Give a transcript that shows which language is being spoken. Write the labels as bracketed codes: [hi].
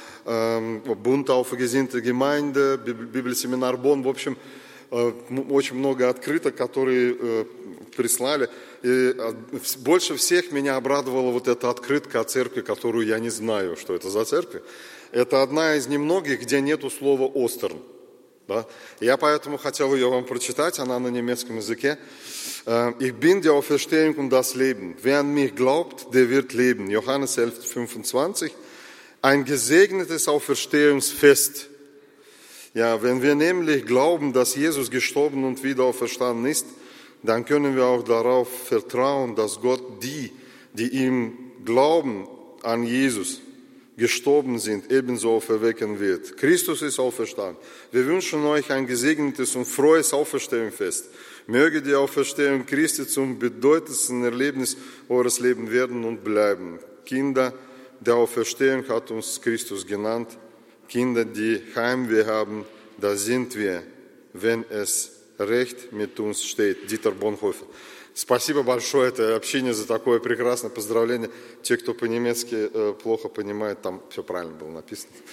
[ru] Bund auf Gesinnte Gemeinde, библиосеминар Бонн, в общем, очень много открыток, которые прислали. И больше всех меня обрадовала вот эта открытка о церкви, которую я не знаю, что это за церковь. Это одна из немногих, где нету слова «Остерн». Да? Я поэтому хотел ее вам прочитать, она на немецком языке. [de] «Ich bin die Auferstehung und das Leben. Wer an mich glaubt, der wird leben. Johannes 11,25. Ein gesegnetes Auferstehungsfest». Ja, wenn wir nämlich glauben, dass Jesus gestorben und wieder auferstanden ist, dann können wir auch darauf vertrauen, dass Gott die, die ihm glauben an Jesus, gestorben sind, ebenso auferwecken wird. Christus ist auferstanden. Wir wünschen euch ein gesegnetes und frohes Auferstehungsfest. Möge die Auferstehung Christi zum bedeutendsten Erlebnis eures Lebens werden und bleiben. Kinder der Auferstehung hat uns Christus genannt. Kinder, die Heimweh haben, da sind wir, wenn es recht mit uns steht. [ru] Дитер Бонхофер. Спасибо большое этой общине за такое прекрасное поздравление. Те, кто по-немецки плохо понимает, там все правильно было написано.